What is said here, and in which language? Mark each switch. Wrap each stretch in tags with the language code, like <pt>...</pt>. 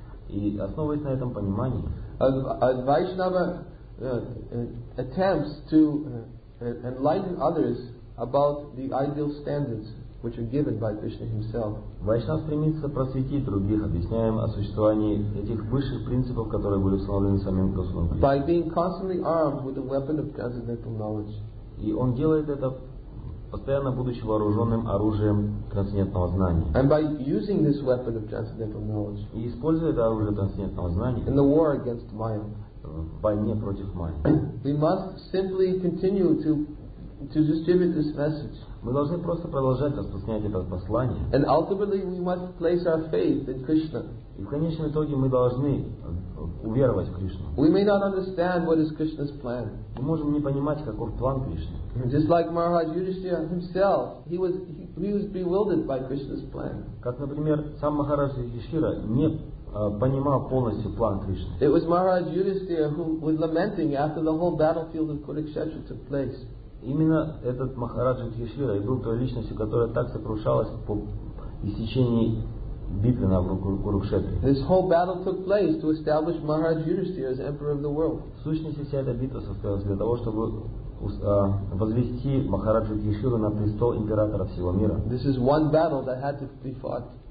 <ru>и основываясь на этом понимании,</ru> <en>a Vaishnava attempts to enlighten others about the ideal standards which are given by Krishna himself.</en> <ru>Вайшнав стремится просветить других, объясняя им о существовании этих высших принципов, которые были установлены самим Господом Кришной.</ru> <en>By being constantly armed with the weapon of transcendental knowledge.</en> <ru>И он делает это, постоянно будучи вооруженным оружием трансцендентного знания.</ru> <en>And by using this weapon of transcendental knowledge.</en> <ru>И используя это оружие трансцендентного знания.</ru> <en>In the war against Maya.</en> <ru>В войне против Майи.</ru> <en>We must simply continue to distribute this message.</en> <ru>Мы должны просто продолжать распространять это послание.</ru> <en>And ultimately we must place our faith in Krishna.</en> <ru>И в конечном итоге мы должны уверовать в Кришну.</ru> <en>We may not understand what is Krishna's plan.</en> <ru>Мы можем не понимать, каков план Кришны.</ru> <en>Just like Maharaj Yudhishthira himself, he was bewildered by Krishna's plan.</en> <ru>Как, например, сам Махарадж Юдхиштхира не понимал полностью план Кришны.</ru> <en>It was Maharaj Yudhishthira who was lamenting after the whole battlefield of Kurukshetra took place.</en> <ru>Именно этот Махараджа Кришира и был той личностью, которая так сокрушалась по истечении битвы на Курукшетре.</ru> <en>This whole battle took place to establish Maharaj Yudhishthira as emperor of the world.</en> <ru>В сущности, вся эта битва состоялась для того, чтобы возвести Махараджу Криширу на престол императора всего мира.</ru> <en>This is one battle that had to be fought.</en>